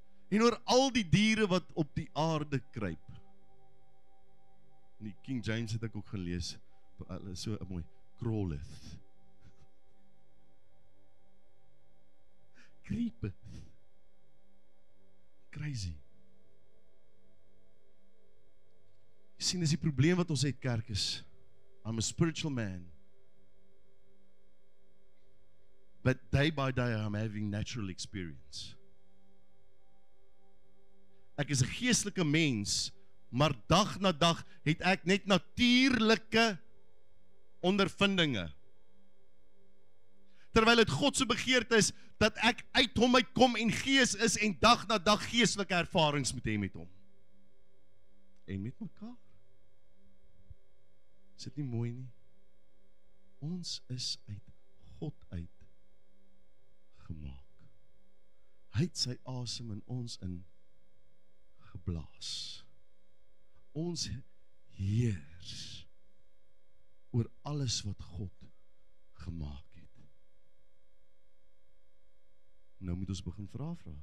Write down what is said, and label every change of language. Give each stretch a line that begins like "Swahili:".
Afrikaans: En oor al die diere wat op die aarde kruip. Die King James het ek ook gelees, so mooi, crawleth.
English: creepeth. Crazy.
Afrikaans: Jy sien, dis die probleem wat ons het, kerk is.
English: I'm a spiritual man. But day by day I'm having natural experience.
Afrikaans: Ek is 'n geestelike mens, maar dag na dag het ek net natuurlike ondervindinge. Terwyl dit God se begeerte is dat ek uit hom uitkom en gees is en dag na dag geestelike ervarings met hem het hom. En met mekaar. Is dit nie mooi nie? Ons is uit God uit gemaak. Hy het sy asem in ons in geblaas. Ons heers oor alles wat God gemaak het. Nou moet ons begin vra.